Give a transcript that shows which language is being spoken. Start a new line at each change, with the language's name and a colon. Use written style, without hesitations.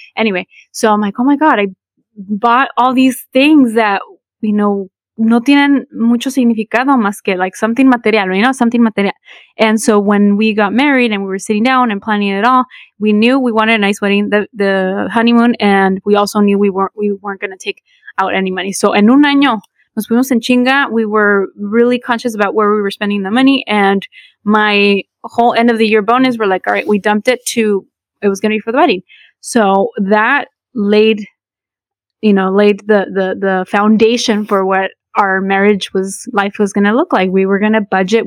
English: Anyway, so I'm like, oh my God, I bought all these things that, you know,
Spanish: no tienen mucho significado más que
English: like something material, you know, something material. And so when we got married and we were sitting down and planning it all, we knew we wanted a nice wedding, the honeymoon, and we also knew we weren't going to take out any money.
Spanish: So en un año nos fuimos en chinga.
English: We were really conscious about where we were spending the money. And my whole end of the year bonus, we're like, all right, we dumped it to, it was going to be for the wedding. So that laid, you know, laid the foundation for what our marriage was, life was going to look like. We were going to budget.